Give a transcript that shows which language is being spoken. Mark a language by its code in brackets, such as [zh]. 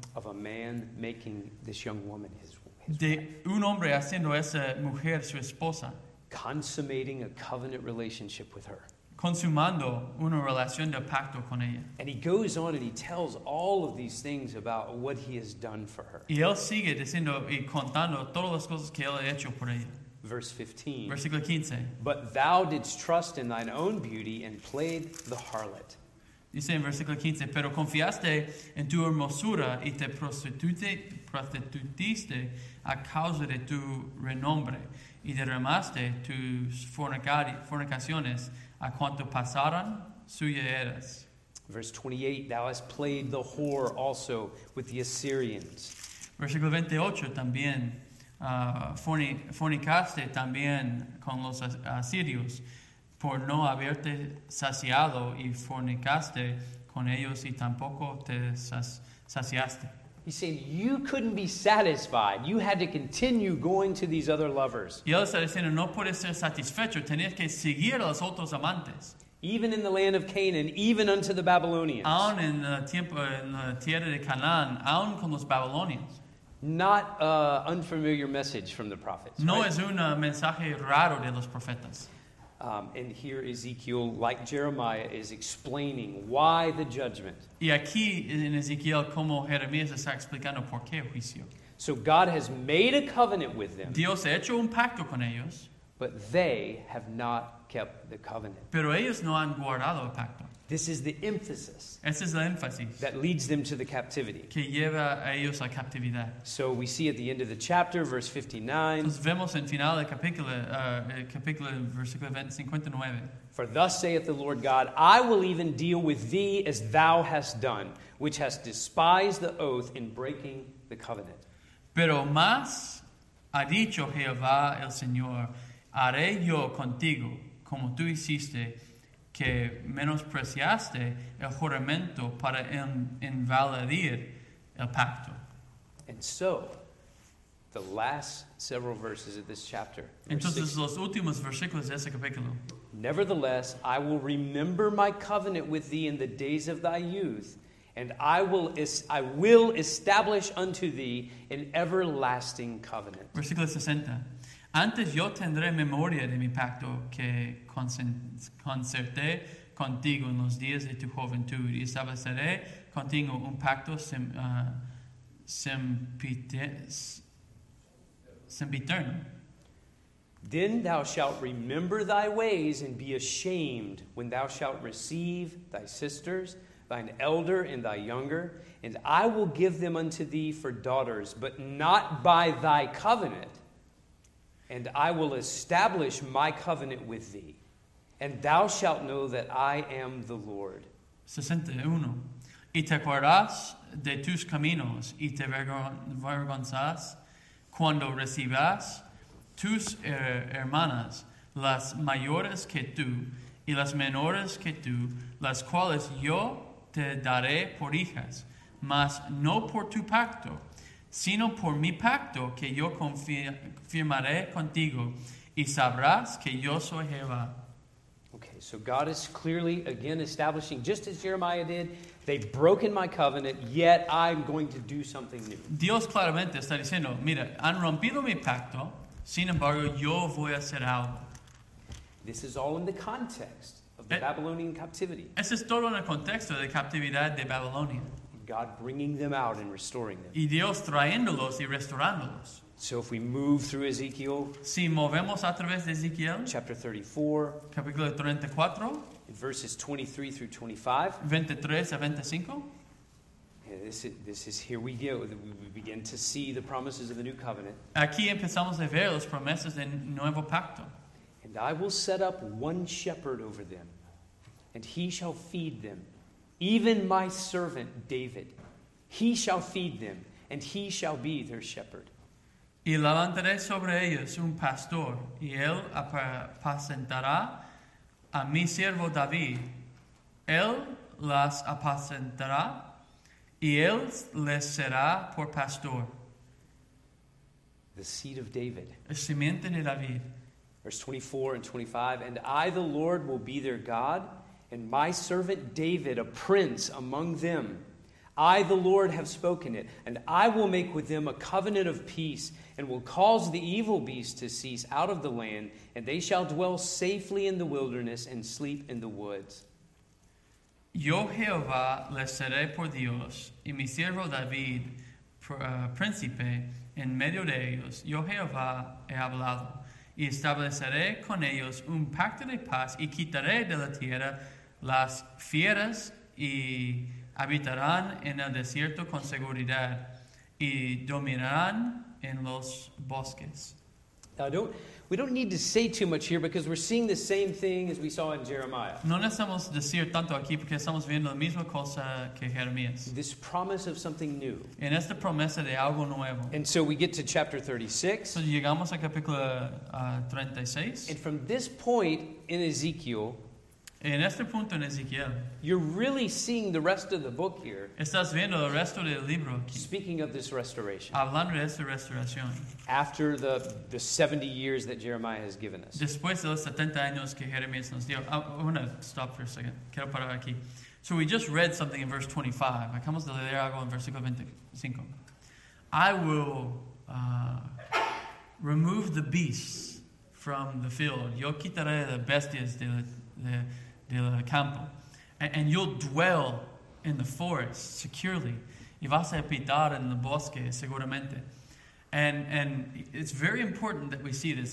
[en] Of a man making this young woman his de wife. [es] Un hombre haciendo esa mujer su esposa. [en] Consummating a covenant relationship with her. [es] Consumando una relación de pacto con ella. [en] And he goes on and he tells all of these things about what he has done for her. [es] Y él sigue diciendo y contando todas las cosas que él ha hecho por ella. Versículo 15. [en] But thou didst trust in thine own beauty and played the harlot. [es] Dice en versículo 15, pero confiaste en tu hermosura y te prostituiste a causa de tu renombre y derramaste tus fornicaciones a cuanto pasaran suya eras. [en] Verse 28, thou hast played the whore also with the Assyrians. [es] Versículo 28, también. Fornicaste también con los asirios por no haberte saciado y fornicaste con ellos y tampoco te saciaste. [en] He said you couldn't be satisfied. You had to continue going to these other lovers. [es] Y él está diciendo no puedes ser satisfecho. Tenías que seguir a los otros amantes. [en] Even in the land of Canaan, even unto the Babylonians. [es] Aún en el tiempo en la tierra de Canaán, aún con los babilonios. [en] Not an unfamiliar message from the prophets. [es] No [en] right? [es] Es un mensaje raro de los profetas. [en] And here Ezekiel, like Jeremiah, is explaining why the judgment. [es] Y aquí en Ezekiel, como Jeremías está explicando por qué el juicio. [en] So God has made a covenant with them. [es] Dios ha hecho un pacto con ellos. [en] But they have not kept the covenant. [es] Pero ellos no han guardado el pacto. [en] This is the emphasis. [es] Ese es el énfasis [en] that leads them to the captivity. [es] Que lleva a ellos a captividad. [en] So we see at the end of the chapter, verse 59. [es] Entonces vemos en final del capítulo, capítulo versículo 59. [en] For thus saith the Lord God, I will even deal with thee as thou hast done, which hast despised the oath in breaking the covenant. [es] Pero más ha dicho Jehová el Señor, haré yo contigo como tú hiciste, que menospreciaste el juramento para invalidar el pacto. [en] And so, the last several verses of this chapter. [es] Entonces, los últimos versículos de ese capítulo. [en] Nevertheless, I will remember my covenant with thee in the days of thy youth, and I will establish unto thee an everlasting covenant. [es] Versículo 60. Antes yo tendré memoria de mi pacto que concerté contigo en los días de tu juventud y estableceré contigo un pacto sempiterno. [en] Then thou shalt remember thy ways and be ashamed when thou shalt receive thy sisters, thine elder and thy younger, and I will give them unto thee for daughters, but not by thy covenant. And I will establish my covenant with thee, and thou shalt know that I am the Lord. 61. [es] Y te acordarás de tus caminos, y te avergonzarás cuando recibas tus hermanas, las mayores que tú, y las menores que tú, las cuales yo te daré por hijas, mas no por tu pacto, sino por mi pacto que yo firmaré contigo, y sabrás que yo soy Jehová. [en] Okay, so God is clearly again establishing, just as Jeremiah did, they've broken my covenant, yet I'm going to do something new. [es] Dios claramente está diciendo, mira, han rompido mi pacto, sin embargo, yo voy a hacer algo. [en] This is all in the context of the Babylonian captivity. [es] Eso es todo en el contexto de captividad de Babilonia. [en] God bringing them out and restoring them. [es] Y Dios trayéndolos y restaurándolos. [en] So if we move through Ezekiel, [es] si movemos a través de Ezekiel, [en] chapter 34, [es] capítulo 34, [en] in verses 23 through 25, [es] 23 a 25. [en] Yeah, this is here we go. We begin to see the promises of the new covenant. [es] Aquí empezamos a ver las promesas del nuevo pacto. [en] And I will set up one shepherd over them, and he shall feed them, even my servant David. He shall feed them, and he shall be their shepherd. [es] Y levantaré sobre ellos un pastor, y él apacentará a mi siervo David. Él las apacentará, y él les será por pastor. [en] The seed of David. [es] El simiente de David. [en] Verse 24 and 25, and I, the Lord, will be their God, and my servant David, a prince among them. I, the Lord, have spoken it, and I will make with them a covenant of peace, and will cause the evil beast to cease out of the land, and they shall dwell safely in the wilderness and sleep in the woods. [es] Yo, Jehová, les seré por Dios, y mi siervo David, príncipe, en medio de ellos. Yo, Jehová, he hablado, y estableceré con ellos un pacto de paz, y quitaré de la tierra las fieras, y habitarán en el desierto con seguridad, y dominarán en los bosques. [en] We don't need to say too much here because we're seeing the same thing as we saw in Jeremiah. [es] No necesitamos decir tanto aquí porque estamos viendo la misma cosa que Jeremías. [en] This promise of something new. [es] En esta promesa de algo nuevo. [en] And so we get to chapter 36. [es] So llegamos a capítulo 36. [en] And from this point in Ezekiel. [es] En este punto en Ezequiel, [en] you're really seeing the rest of the book here. [es] Estás viendo el resto del libro aquí, [en] speaking of this restoration. [es] Hablando de esta restauración. [en] After the 70 years that Jeremiah has given us. [es] Después de los 70 años que Jeremías nos dio. [en] I want to stop for a second. [es] Quiero parar aquí. [en] So we just read something in verse 25. [es] Acabamos de leer algo en versículo 25. [en] I will remove the beasts from the field. [es] Yo quitaré las bestias del campo, [en] and you'll dwell in the forest securely. [es] Y vas a habitar en el bosque seguramente. [en] And it's very important that we see this.